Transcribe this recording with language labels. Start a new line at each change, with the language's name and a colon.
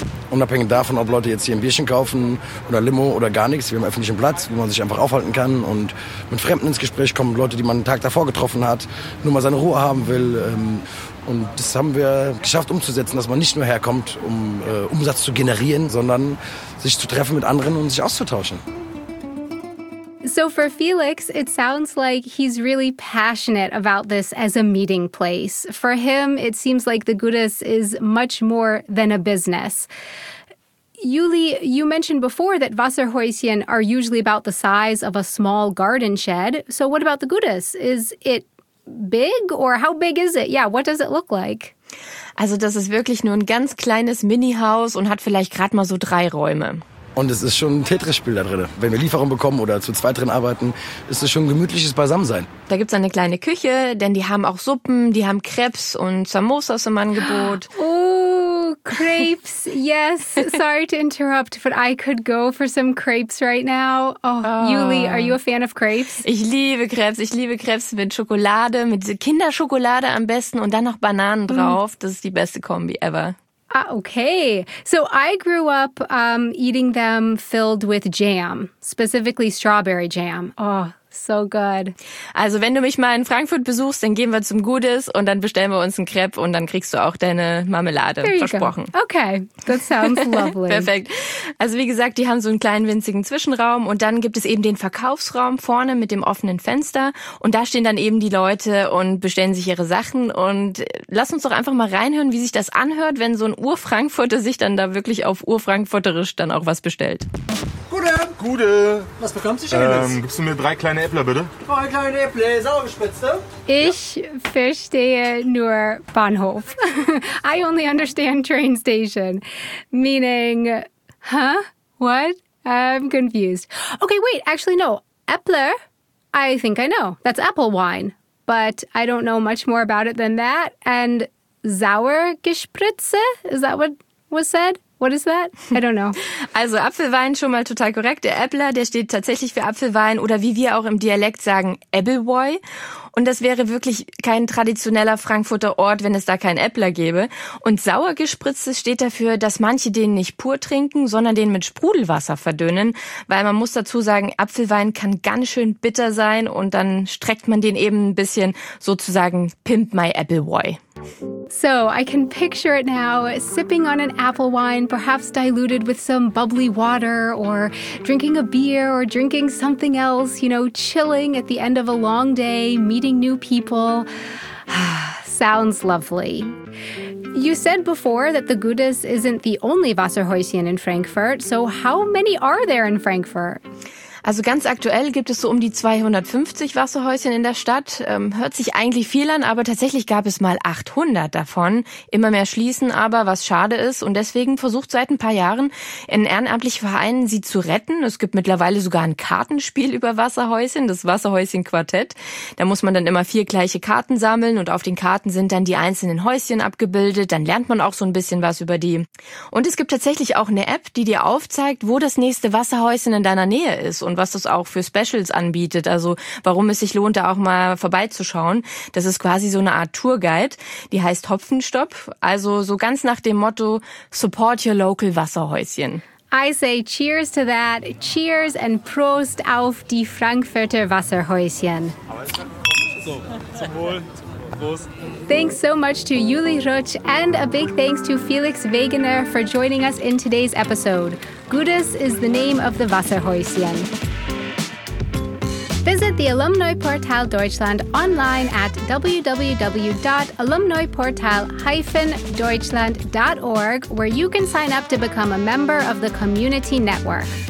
German: Unabhängig davon, ob Leute jetzt hier ein Bierchen kaufen oder Limo oder gar nichts, wir haben einen öffentlichen Platz, wo man sich einfach aufhalten kann und mit Fremden ins Gespräch kommen, Leute, die man einen Tag davor getroffen hat, nur mal seine Ruhe haben will. Und das haben wir geschafft umzusetzen, dass man nicht nur herkommt, um Umsatz zu generieren, sondern sich zu treffen mit anderen und sich auszutauschen.
English: So for Felix, it sounds like he's really passionate about this as a meeting place. For him, it seems like the Gudes is much more than a business. Yuli, you mentioned before that Wasserhäuschen are usually about the size of a small garden shed. So what about the Gudes? Is it big or how big is it? Yeah, what does it look like?
German: Also das ist wirklich nur ein ganz kleines Mini-Haus und hat vielleicht gerade mal so 3 Räume. Und es ist schon ein Tetris-Spiel da drin. Wenn wir Lieferung bekommen oder zu zweit drin arbeiten, ist es schon ein gemütliches Beisammensein. Da gibt's eine kleine Küche, denn die haben auch Suppen, die haben Crepes und Samosas im Angebot.
English: Oh, Crepes, yes. Sorry to interrupt, but I could go for some Crepes right now. Oh, Yuli, are you a fan of Crepes?
German: Ich liebe Crepes mit Schokolade, mit Kinderschokolade am besten und dann noch Bananen drauf. Das ist die beste Kombi ever.
English: Okay, so I grew up eating them filled with jam, specifically strawberry jam. Oh, so good.
German: Also wenn du mich mal in Frankfurt besuchst, dann gehen wir zum Gudes und dann bestellen wir uns einen Crepe und dann kriegst du auch deine Marmelade, versprochen.
English: Go. Okay, that sounds lovely.
German: Perfekt. Also wie gesagt, die haben so einen kleinen winzigen Zwischenraum und dann gibt es eben den Verkaufsraum vorne mit dem offenen Fenster und da stehen dann eben die Leute und bestellen sich ihre Sachen und lass uns doch einfach mal reinhören, wie sich das anhört, wenn so ein Ur-Frankfurter sich dann da wirklich auf Ur-Frankfurterisch dann auch was bestellt. Gute. Julian! Gute! Was bekommst du schon? Gibst du mir drei kleine Äppler, bitte? Drei kleine Äppler, sauer gespritzt, ne? Ich verstehe nur Bahnhof.
English: I only understand train station. Meaning, huh? What? I'm confused. Okay, wait, actually, no. Äppler, I think I know. That's apple wine. But I don't know much more about it than that. And
German: sauer gespritze?
English: Is that what was said? What is that? I don't know.
German: Also Apfelwein schon mal total korrekt. Der Äppler, der steht tatsächlich für Apfelwein oder wie wir auch im Dialekt sagen, Äppelwoi. Und das wäre wirklich kein traditioneller Frankfurter Ort, wenn es da keinen Äppler gäbe. Und Sauergespritze steht dafür, dass manche den nicht pur trinken, sondern den mit Sprudelwasser verdünnen. Weil man muss dazu sagen, Apfelwein kann ganz schön bitter sein und dann streckt man den eben ein bisschen sozusagen
English: Pimp my
German: Äppelwoi.
English: So, I can picture it now, sipping on an apple wine, perhaps diluted with some bubbly water, or drinking a beer, or drinking something else, you know, chilling at the end of a long day, meeting new people. Sounds lovely. You said before that the Gudes isn't the only Wasserhäuschen in Frankfurt, so how many are there in Frankfurt?
German: Also ganz aktuell gibt es so um die 250 Wasserhäuschen in der Stadt. Hört sich eigentlich viel an, aber tatsächlich gab es mal 800 davon. Immer mehr schließen aber, was schade ist. Und deswegen versucht seit ein paar Jahren ein ehrenamtlicher Verein, sie zu retten. Es gibt mittlerweile sogar ein Kartenspiel über Wasserhäuschen, das Wasserhäuschen-Quartett. Da muss man dann immer vier gleiche Karten sammeln und auf den Karten sind dann die einzelnen Häuschen abgebildet. Dann lernt man auch so ein bisschen was über die. Und es gibt tatsächlich auch eine App, die dir aufzeigt, wo das nächste Wasserhäuschen in deiner Nähe ist und was das auch für Specials anbietet, also warum es sich lohnt, da auch mal vorbeizuschauen. Das ist quasi so eine Art Tourguide, die heißt Hopfenstopp, also so ganz nach dem Motto
English: Support your local
German: Wasserhäuschen.
English: I say cheers to that, cheers and
German: Prost auf die Frankfurter Wasserhäuschen. So, zum Wohl.
English: Thanks so much to Juli Rutsch and a big thanks to Felix Wegener for joining us in today's episode. Gudes is the name of the Wasserhäuschen. Visit the Alumni Portal Deutschland online at www.alumniportal-deutschland.org where you can sign up to become a member of the community network.